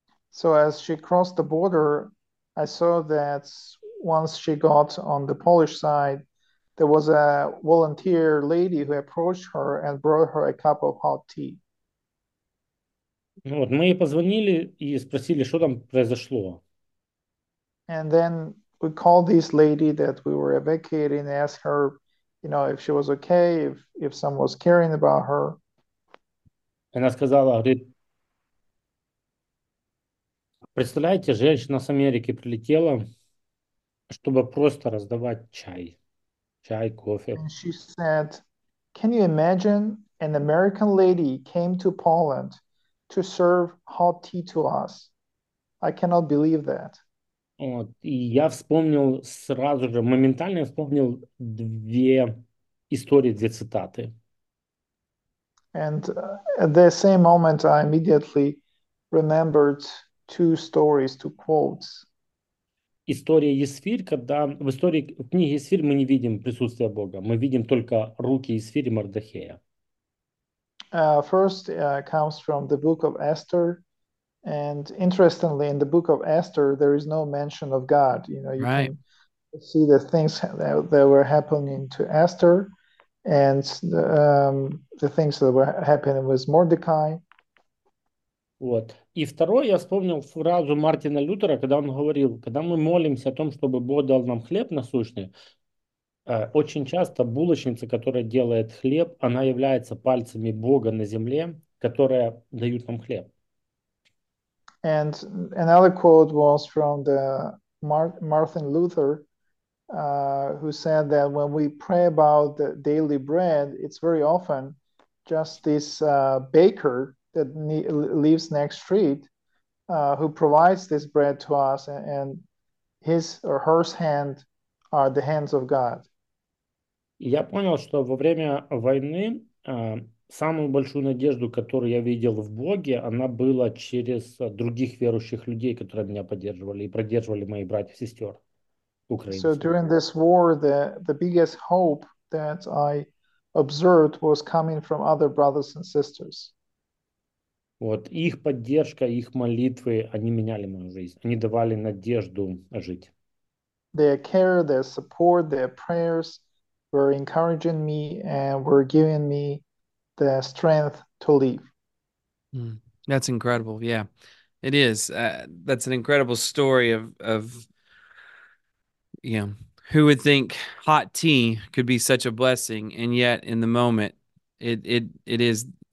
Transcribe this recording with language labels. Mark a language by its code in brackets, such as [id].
[en] So as she crossed the border, I saw that once she got on the Polish side, there was a volunteer lady who approached her and brought her a cup of hot tea. [ru] Вот, мы ей позвонили и спросили, что там произошло. [en] And then we called this lady that we were evacuating and asked her, if she was okay, if someone was caring about her. [ru] Она сказала, говорит, представляете, женщина с Америки прилетела, чтобы просто раздавать чай. Чай, кофе. [en] And she said, "Can you imagine an American lady came to Poland to serve hot tea to us? I cannot believe that." [ru] Вот. И я вспомнил сразу же, моментально вспомнил две истории, две цитаты. [en] And at the same moment, I immediately remembered two stories, two quotes. [ru] История Есфирь, когда в истории в книге Есфирь мы не видим присутствия Бога, мы видим только руки Есфирь и Мардохея. [en] First comes from the book of Esther. And interestingly, in the book of Esther, there is no mention of God. You Right. can see the things that were happening to Esther and the things that were happening with Mordecai. [ru] Вот. И второе, я вспомнил фразу Мартина Лютера, когда он говорил, когда мы молимся о том, чтобы Бог дал нам хлеб насущный, очень часто булочница, которая делает хлеб, она является пальцами Бога на земле, которые дают нам хлеб. [en] And another quote was from the Martin Luther, who said that when we pray about the daily bread, it's very often just this baker that lives next street who provides this bread to us, and his or her hand are the hands of God. [ru] Я понял, что во время войны самую большую надежду, которую я видел в Боге, она была через других верующих людей, которые меня поддерживали и поддерживали моих братьев и сестер [en] So [ru] украинцев. [en] during this war, the biggest hope that I observed was coming from other brothers and sisters. [ru] Вот их поддержка, их молитвы, они меняли мою жизнь, они давали надежду жить. [en] Their care, their support, their prayers were encouraging me and were giving me the strength to live. That's incredible. Yeah, it is. That's an incredible story of who would think hot tea could be such a blessing, and yet in the moment, it is.